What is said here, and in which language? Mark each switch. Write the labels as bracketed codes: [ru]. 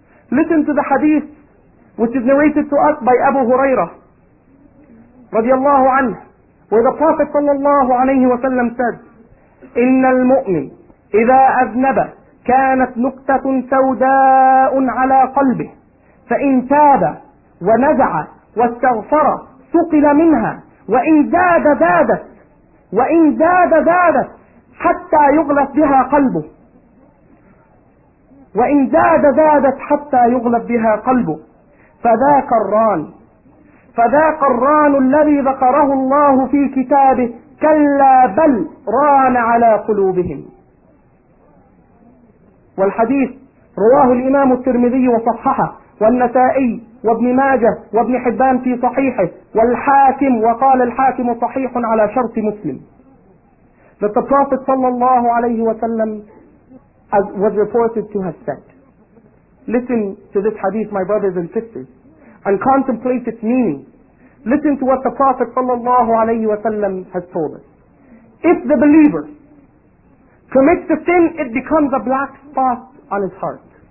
[en] Listen to the hadith which is narrated to us by Abu Huraira radiallahu anhu, where the Prophet sallallahu alayhi wa sallam said, [ar] إن المؤمن إذا أذنب كانت نقطة سوداء على قلبه فإن تاب ونزع واستغفر ثقل منها، وإن زاد زادت، وإن زاد زادت حتى يغلق بها قلبه، وإن زاد زادت حتى يغلق بها قلبه. فذاك الران، فذاك الران الذي ذكره الله في كتابه، كلا بل ران على قلوبهم. والحديث رواه الإمام الترمذي وصححه، والنسائي وابن ماجه وابن حبان في صحيحه، والحاكم، وقال الحاكم صحيح على شرط مسلم. [en] That the Prophet [ar] صلى الله عليه وسلم [en] was reported to have said. Listen to this hadith, my brothers and sisters, and contemplate its meaning. Listen to what the Prophet [ar] صلى الله عليه وسلم [en] has told us. If the believer commits a sin, it becomes a black spot on his heart.